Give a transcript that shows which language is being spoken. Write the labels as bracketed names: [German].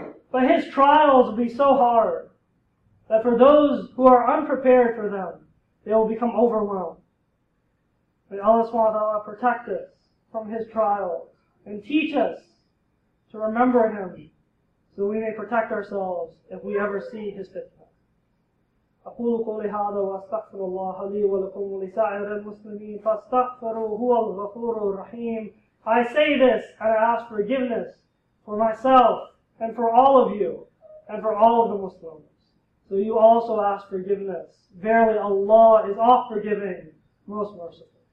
[English] But his trials will be so hard that for those who are unprepared for them, they will become overwhelmed. May Allah subhanahu wa ta'ala protect us from his trials and teach us to remember him so we may protect ourselves if we ever see his fitnah. [Arabic] أقول قولي هذا وأستغفر الله لي ولكم ولسائر المسلمين فاستغفروه هو الغفور الرحيم. [English] I say this and I ask forgiveness for myself and for all of you and for all of the Muslims. So you also ask forgiveness. Verily Allah is all forgiving, most merciful.